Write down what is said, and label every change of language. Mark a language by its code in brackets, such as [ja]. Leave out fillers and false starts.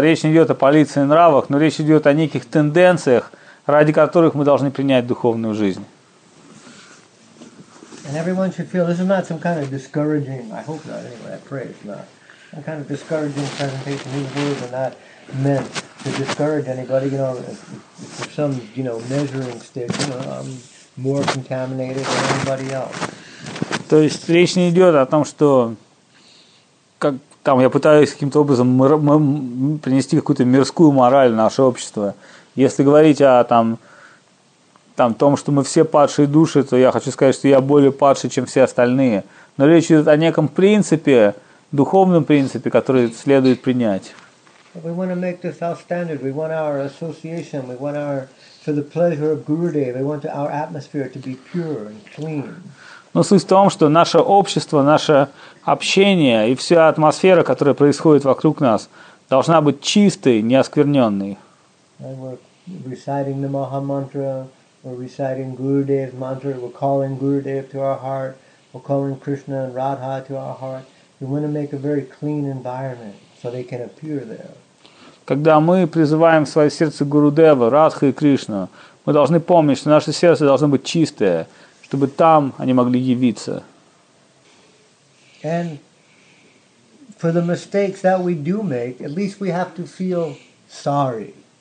[ru] Речь не идет о полиции нравов, но речь идет о неких тенденциях, ради которых мы должны принять духовную жизнь. [en] And everyone should feel this is not some kind of discouraging, I hope not anyway, I pray it's not, some kind of discouraging presentation. These words are not meant to discourage anybody, you know, for some, you know, measuring stick, you know, I'm more contaminated than anybody else. [ru] То есть речь не идет о том, что как там я пытаюсь каким-то образом принести какую-то мирскую мораль в наше общество. Если говорить о том, что мы все падшие души, то я хочу сказать, что я более падший, чем все остальные. Но речь идет о неком принципе, духовном принципе, который следует принять. [en] We want to make this our standard. We want our association. We want our, for the pleasure of Gurudev, we want our atmosphere to be pure and clean. [ru] Но суть в том, что наше общество, наше общение и вся атмосфера, которая происходит вокруг нас, должна быть чистой, не оскверненной. [en] And we're reciting the Maha Mantra, we're reciting Gurudev's mantra, we're calling Gurudev to our heart, we're calling Krishna and Radha to our heart. We want to make a very clean environment so they can appear there. [ru] Когда мы призываем в свое сердце Гурудева, Радха и Кришну, мы должны помнить, что наше сердце должно быть чистое, чтобы там они могли явиться. [en] And for the mistakes that we do make, at least we have to feel sorry.